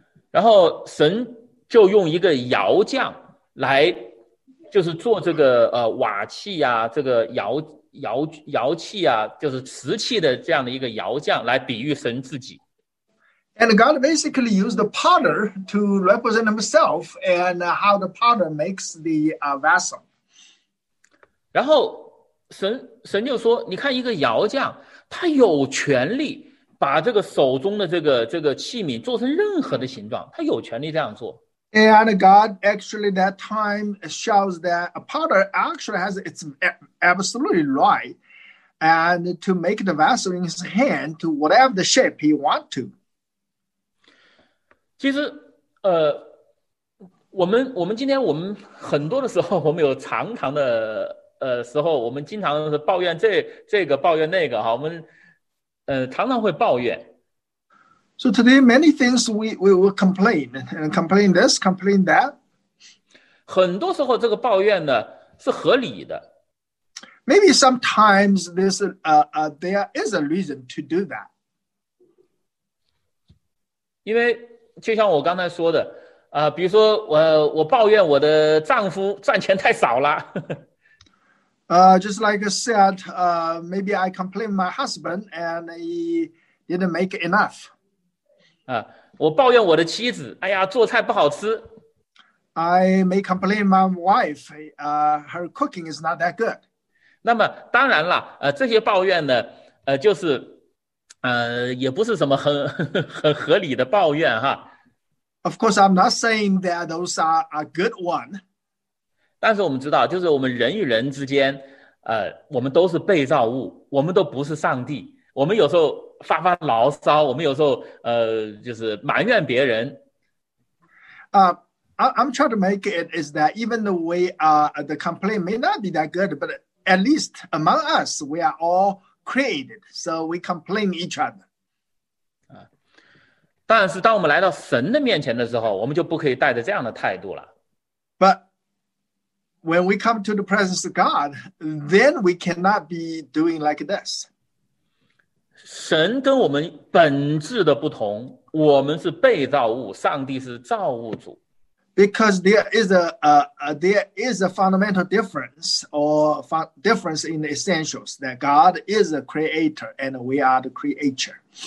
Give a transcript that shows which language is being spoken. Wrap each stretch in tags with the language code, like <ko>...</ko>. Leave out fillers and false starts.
<zh>然后神就用一个窑匠来就是做这个瓦器啊这个窑器啊就是瓷器的这样的一个窑匠来比喻神自己。</zh> <en>And God basically used the potter to represent himself and how the potter makes the vessel.</en> <zh>然后神就说你看一个窑匠他有权利把这个手中的这个器皿做成任何的形状他有权利这样做。</zh> <en>And God actually that time shows that a potter actually has it's absolutely right and to make the vessel in his hand to whatever the shape he wants to.</en> <zh>其实我们今天我们很多的时候我们有常常的时候我们经常是抱怨这个抱怨那个我们常常会抱怨。</zh> <en>So today, many things we will complain, and complain this, complain that.</en> <zh>很多时候这个抱怨呢是合理的。</zh> <en>Maybe sometimes there is a reason to do that.</en> <zh>因为就像我刚才说的比如说我抱怨我的丈夫赚钱太少了。</zh> <en>Just like I said, maybe I complain my husband and he didn't make enough.</en> <zh>我抱怨我的妻子哎呀做菜不好吃。</zh> <en>I may complain my wife, her cooking is not that good.</en> <zh>那么当然了这些抱怨呢就是也不是什么很合理的抱怨哈。</zh> <en>Of course, I'm not saying that those are a good one.</en> <zh>但是我们知道就是我们人与人之间我们都是被造物我们都不是上帝我们有时候发牢骚我们有时候就是埋怨别人。</zh> <en>I'm trying to make it is that even the way the complaint may not be that good, but at least among us, we are all created, so we complain each other.</en> <zh>但是当我们来到神的面前的时候我们就不可以带着这样的态度了。</zh> <en>When we come to the presence of God, then we cannot be doing like this.</en> <zh>神跟我们本质的不同，我们是被造物，上帝是造物主。</zh> <en>Because there is a fundamental difference or difference in the essentials that God is a creator and we are the creature.</en>